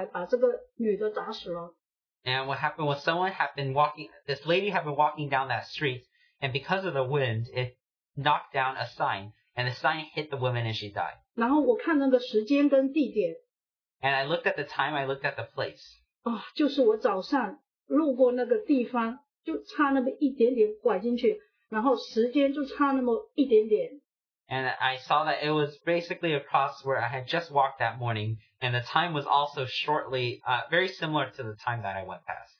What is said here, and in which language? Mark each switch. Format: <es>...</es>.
<zh>然后呢，就看新闻，就是说，有一个女的在下面这个风刮的那个招牌啊，就刮下来，把这个女的砸死了。</zh> <en>And what happened was someone had been walking, this lady had been walking down that street, and because of the wind, it knocked down a sign, and the sign hit the woman and she died.</en> <zh>然后我看那个时间跟地点。</zh> <en>And I looked at the time, I looked at the place.</en> <zh>就是我早上路过那个地方。就差那么一点点拐进去，然后时间就差那么一点点。</zh> <en>And I saw that it was basically across where I had just walked that morning, and the time was also shortly, very similar to the time that I went past.</en>